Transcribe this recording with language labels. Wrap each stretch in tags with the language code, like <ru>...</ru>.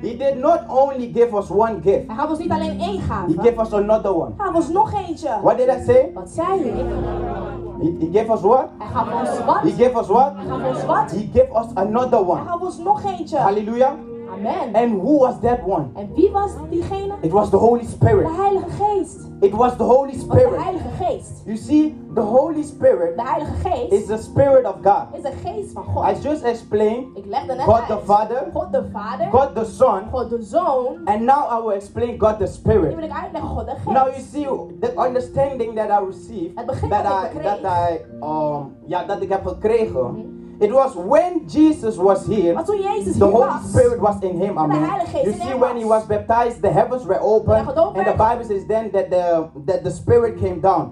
<en>He did not only give us one gift.</en> <nl>Hij gaf ons niet alleen één gave.</nl> <en>He gave us another one.</en> <nl>Hij gaf ons nog eentje.</nl> <en>What did I say?</en> <nl>Wat zei je?</nl> <en>He gave us what?</en> <nl>Hij gaf ons wat?</nl> <en>He gave us what?</en> <nl>Hij gaf ons wat?</nl> <en>He gave us another one.</en> <nl>Hij gaf ons nog eentje. Hallelujah. Amen.</nl> <en>And who was that one?</en> <nl>En wie was diegene?</nl> <en>It was the Holy Spirit.</en> <nl>De Heilige Geest.</nl> <en>It was the Holy Spirit.</en> <nl>De Heilige Geest.</nl> <en>You see, the Holy Spirit,</en> <nl>de Heilige Geest,</nl> <en>is the Spirit of God.</en> <nl>Is de Geest van God.</nl> <en>I just explained.</en> <nl>Ik legde net God uit.</nl> <en>The Father.</en> <nl>God de Vader.</nl> <en>God the Son.</en> <nl>God de Zoon.</nl> <en>And now I will explain God the Spirit.</en> <nl>Nu wil ik uitleggen God de Geest.</nl> <en>Now you see the understanding that I received.</en> <nl>Het begrip dat ik kreeg. Dat ik heb gekregen. Mm-hmm.</nl> <en>It was when Jesus was here,</en> <nl>maar toen Jezus</nl> <en>the</en> <nl>hier</nl> <en>Holy</en> <nl>was,</nl> <en>Spirit was in him. Amen. You see, when he was baptized, the heavens were open. And the Bible says then that the Spirit came down.</en>